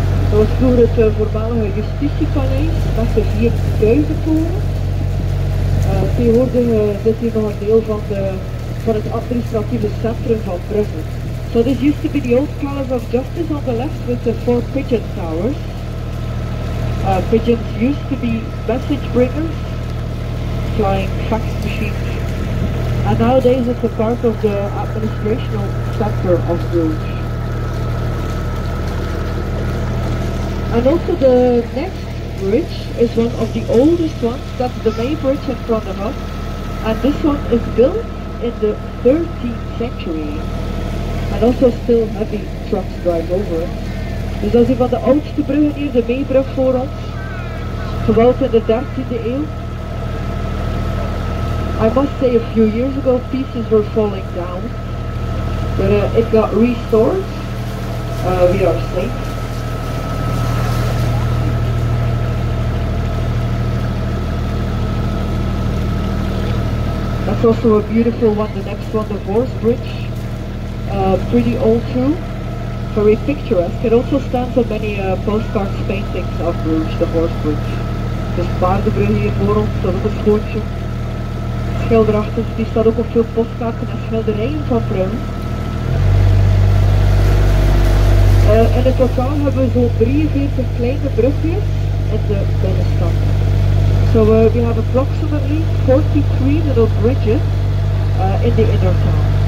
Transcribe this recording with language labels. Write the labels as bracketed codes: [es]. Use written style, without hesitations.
[nl] Door het voormalige justitiepaleis met de vier duiventoren. Tegenwoordig zit hier nog een deel van het administratieve centrum van Brussel. [en] So this used to be the old Palace of Justice on the left with the four pigeon towers. Pigeons used to be message bringers, flying fax machines. And nowadays it's a part of the administrational center of Bruges. And also the next bridge is one of the oldest ones, that's the main bridge in front of us. And this one is built in the 13th century. And also still heavy trucks drive over it. [nl] Dus dat is een van de oudste bruggen hier, de Meebrug voor ons. Gebouwd in de 13e eeuw. [en] I must say, a few years ago, pieces were falling down. But it got restored. We are safe. That's also a beautiful one, the next one, the Vorse Bridge. Pretty old too. Very picturesque. It also stands on many postcards paintings of Bruges, the Vorse Bridge. [nl] Dus paardenbrug hier voor ons, dat is ook een schootje. Schilderachtig, die staat ook op veel postkaarten en schilderijen van Bruges. En in totaal hebben we zo'n 43 kleine brugjes in de binnenstad. [en] So we have approximately 43 little bridges in the inner town.